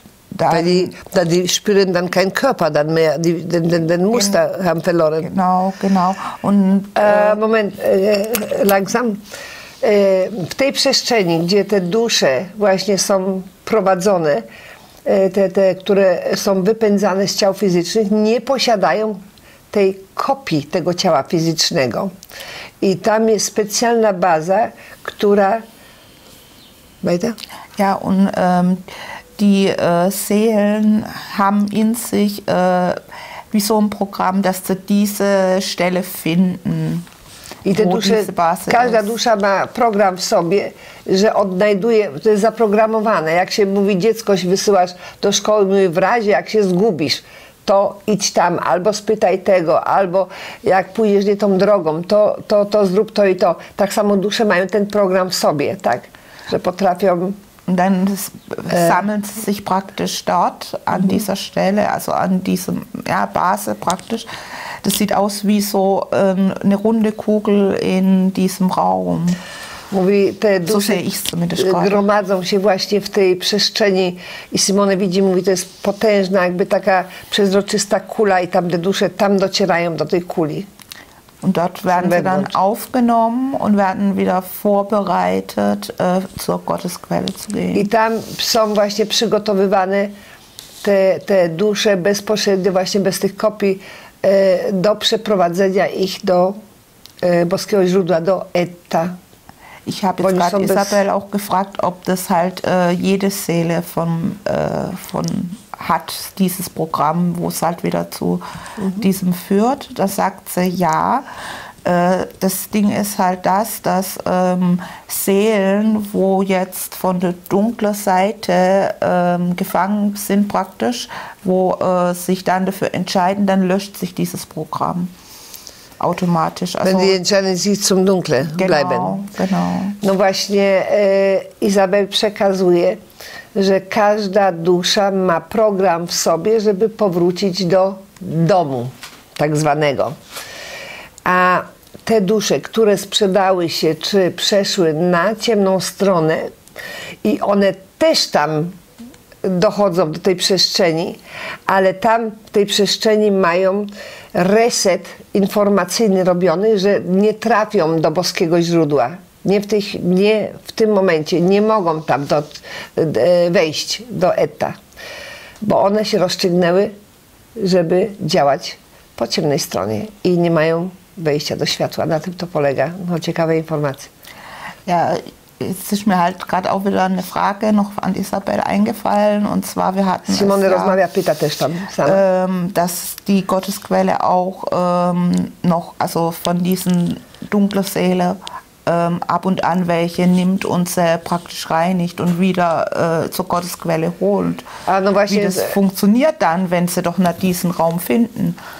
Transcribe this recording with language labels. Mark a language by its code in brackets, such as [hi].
[de] Da die spüren dann keinen Körper dann mehr, den Muster haben verloren. Genau. Und, Moment, langsam. [pl] W tej przestrzeni, gdzie te dusze właśnie są prowadzone, te, które są wypędzane z ciał fizycznych, nie posiadają tej kopii tego ciała fizycznego. I tam jest specjalna baza, która... [de] Weiter? Ja, und die Seelen haben in sich wie so ein Programm, dass sie diese Stelle finden. [pl] I te dusze, każda dusza ma program w sobie, że odnajduje, to jest zaprogramowane. Jak się mówi, dziecko się wysyłasz do szkoły, mówi, w razie jak się zgubisz, to idź tam, albo spytaj tego, albo jak pójdziesz nie tą drogą, to zrób to i to. Tak samo dusze mają ten program w sobie, tak? Że potrafią... [de] Und dann sammelt sie sich praktisch dort an dieser Stelle, also an diesem Base praktisch. Das sieht aus wie so eine runde Kugel in diesem Raum. [pl] Mówi, te dusze gromadzą się właśnie w tej przestrzeni i Simone widzi, mówi, to jest potężna, jakby taka przezroczysta kula i tam te dusze tam docierają do tej kuli. [de] Und dort werden sie dann aufgenommen und werden wieder vorbereitet, zur Gottesquelle zu gehen. [pl] I tam są właśnie przygotowywane te dusze bezpośrednio, właśnie bez tych kopii, do przeprowadzenia ich do boskiego źródła, do Etta. [de] Ich habe jetzt gerade Isabel auch gefragt, ob das halt jede Seele von hat dieses Programm, wo es halt wieder zu diesem führt. Da sagt sie ja. Das Ding ist halt das, dass Seelen, wo jetzt von der dunklen Seite gefangen sind praktisch, wo sich dann dafür entscheiden, dann löscht sich dieses Programm automatisch. Also, wenn die entscheiden, sie zum Dunkle bleiben. Genau. [pl] No właśnie, Isabel przekazuje, że każda dusza ma program w sobie, żeby powrócić do domu tak zwanego. A te dusze, które sprzedały się, czy przeszły na ciemną stronę i one też tam dochodzą do tej przestrzeni, ale tam w tej przestrzeni mają reset informacyjny robiony, że nie trafią do boskiego źródła. Nie w tym momencie nie mogą tam wejść do Eta, bo one się rozstrzygnęły, żeby działać po ciemnej stronie i nie mają wejścia do światła. Na tym to polega. No, ciekawe informacje. [de] Ja, jetzt ist mir halt gerade auch wieder eine Frage noch an Isabel eingefallen, und zwar wir hatten [pl] Simone es, rozmawia, pyta też tam sama. [de] Dass die Gottesquelle auch noch, also von diesen dunklen Seelen ab und an welche nimmt und sie praktisch reinigt und wieder zur Gottesquelle holt. No wie das funktioniert dann, wenn sie doch nach diesem Raum finden?